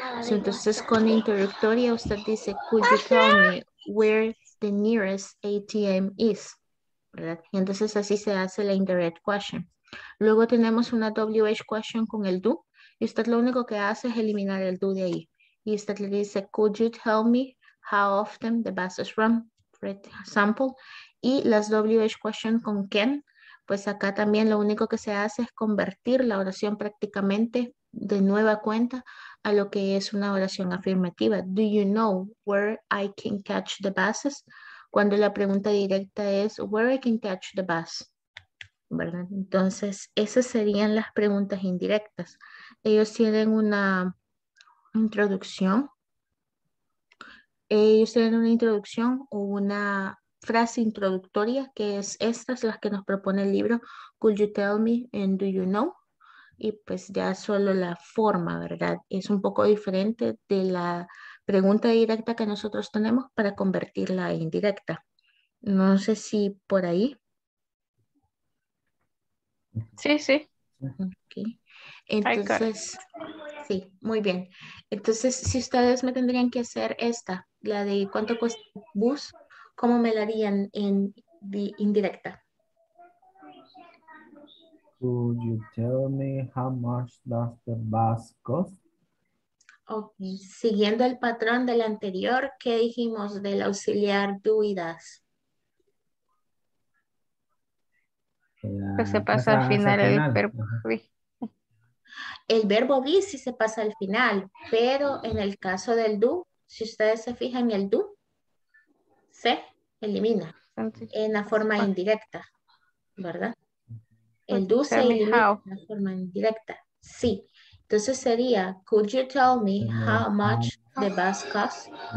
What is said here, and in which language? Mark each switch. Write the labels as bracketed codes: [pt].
[en] So, [es] entonces con introductoria usted dice, [en] could you tell me where the nearest ATM is? [es] ¿Verdad? Y entonces así se hace la indirect question. Luego tenemos una WH question con el do. Y usted lo único que hace es eliminar el do de ahí. Y usted le dice, [en] could you tell me how often the buses run, for example? [es] Y las WH questions con can, pues acá también lo único que se hace es convertir la oración prácticamente de nueva cuenta a lo que es una oración afirmativa. [en] Do you know where I can catch the buses? [es] Cuando la pregunta directa es, [en] where I can catch the bus? [es] ¿Verdad? Entonces, esas serían las preguntas indirectas. Ellos tienen una... introducción. Ellos tienen una introducción o una frase introductoria que es estas las que nos propone el libro. [en] Could you tell me and do you know? [es] Y pues ya solo la forma, ¿verdad? Es un poco diferente de la pregunta directa que nosotros tenemos para convertirla a indirecta. No sé si por ahí. Sí, sí. Ok. Entonces, sí, muy bien. Entonces, si ustedes me tendrían que hacer esta, la de cuánto cuesta el bus, ¿cómo me la harían en indirecta? [en] Could you tell me how much does the bus cost? Okay. [es] Siguiendo el patrón del anterior, ¿qué dijimos del auxiliar do y does? Que se pasa al final el verbo. El verbo be sí se pasa al final, pero en el caso del do, si ustedes se fijan, el do se elimina en la forma indirecta, ¿verdad? El do se elimina en la forma indirecta, sí. Entonces sería, [en] could you tell me how much the bus costs?